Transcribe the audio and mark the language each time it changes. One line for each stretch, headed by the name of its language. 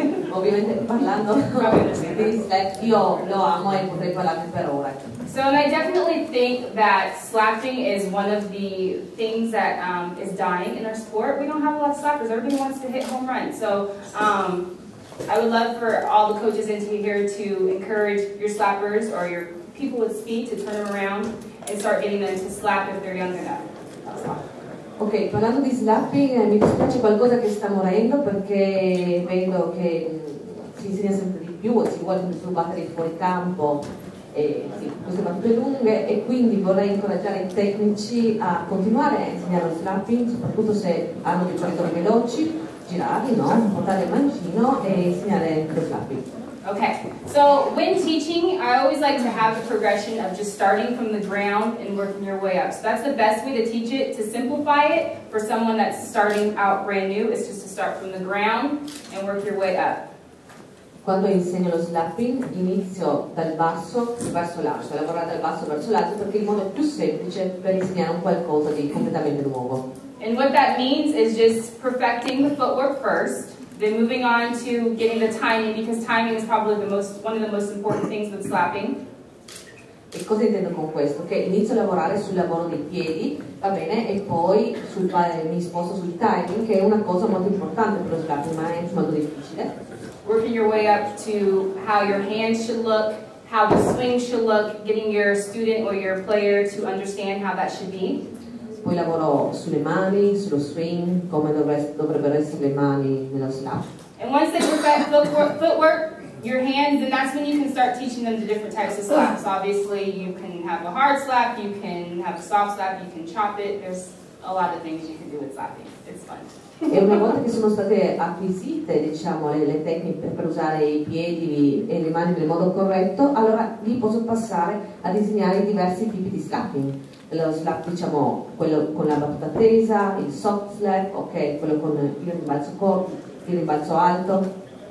Italian: Ovviamente parlando di slap, io lo amo e potrei parlare per ore.
English: So, and I definitely think that slapping is one of the things that is dying in our sport. We don't have a lot of slappers. Everybody wants to hit home runs. So, I would love for all the coaches in here to encourage your slappers or your people with speed to turn around and start getting them to slap if they're young enough.
Italian: Ok, parlando di slapping, mi dispiace qualcosa che sta morendo perché vedo che si insegna sempre di più, si vuole più battere fuori campo. Queste battute lunghe e quindi vorrei incoraggiare i tecnici a continuare a insegnare lo slapping, soprattutto se hanno dei giocatori veloci, girarli, no? Portare il mancino e insegnare lo slapping.
English: Ok, so when teaching I always like to have a progression of just starting from the ground and working your way up. So that's the best way to teach it, to simplify it for someone that's starting out brand new, is just to start from the ground and work your way up.
Italian: Quando insegno lo slapping, inizio dal basso verso l'alto, lavorare dal basso verso l'alto perché è il modo più semplice per insegnare un qualcosa di completamente nuovo.
English: And what that means is just perfecting the footwork first, then moving on to getting the timing, because timing is probably one of the most important things with slapping.
Italian: E cosa intendo con questo? Che inizio a lavorare sul lavoro dei piedi, va bene, e poi mi sposto sul timing, che è una cosa molto importante per lo slapping, ma è molto difficile.
English: Working your way up to how your hands should look, how the swing should look, getting your student or your player to understand how that should be.
Italian: Poi lavoro sulle mani, sullo swing, come dovrebbero essere le mani nello slap.
English: And once they perfect footwork, your hands, then that's when you can start teaching them the different types of slaps. So obviously, you can have a hard slap, you can have a soft slap, you can chop it. There's a lot of things you can do with slapping. It's fun.
Italian: E una volta che sono state acquisite, diciamo, le tecniche per usare i piedi e le mani nel modo corretto, allora lì posso passare a disegnare diversi tipi di slapping. Lo slap, diciamo, quello con la battuta tesa, il soft slap, ok, quello con il rimbalzo corto, il rimbalzo alto.